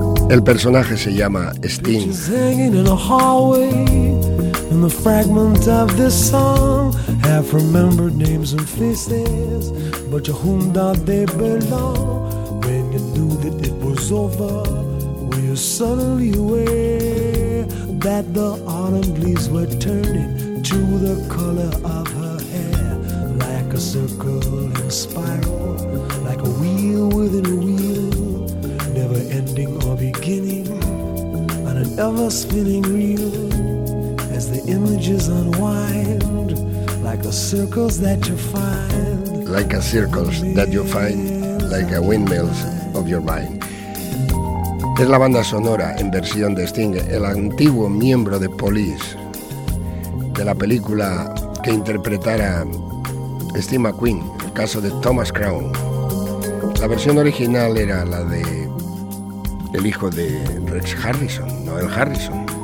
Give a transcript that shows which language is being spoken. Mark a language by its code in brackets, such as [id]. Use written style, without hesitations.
[es] El personaje se llama Sting. [en] Pictures hanging in a hallway, in the fragment of this song. Half remembered names and faces, but to whom do they belong? When you knew that it was over, were you suddenly aware that the autumn leaves were turning to the color of her hair, like a circle in a spiral, like a wheel within a wheel, never ending or beginning, on an ever spinning reel, as the images unwind, like the circles that you find, like a circles that you find, like a windmills of your mind. [es] Es la banda sonora en versión de Sting, el antiguo miembro de Police, de la película que interpretara Steve McQueen, el caso de Thomas Crown. La versión original era la de el hijo de Rex Harrison, Noel Harrison.